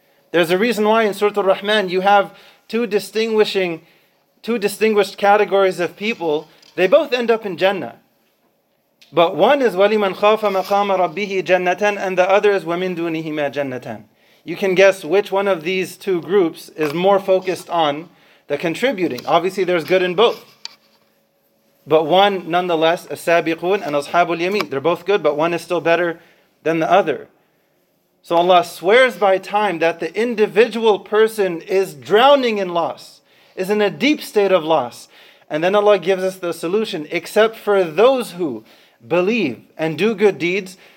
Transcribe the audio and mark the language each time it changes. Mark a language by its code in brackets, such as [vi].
[en] There's a reason why in Surah Al-Rahman you have two distinguished categories of people. They both end up in Jannah. But one is [ar] وَلِمَنْ خَافَ مَقَامَ رَبِّهِ جَنَّةً [en] and the other is [ar] وَمِنْ دُونِهِمَا جَنَّةً. [en] You can guess which one of these two groups is more focused on the contributing. Obviously, there's good in both. But one, nonetheless, [ar] السابقون [en] and [ar] أصحابُ اليمين. [en] They're both good, but one is still better than the other. So Allah swears by time that the individual person is drowning in loss, is in a deep state of loss. And then Allah gives us the solution, except for those who believe and do good deeds.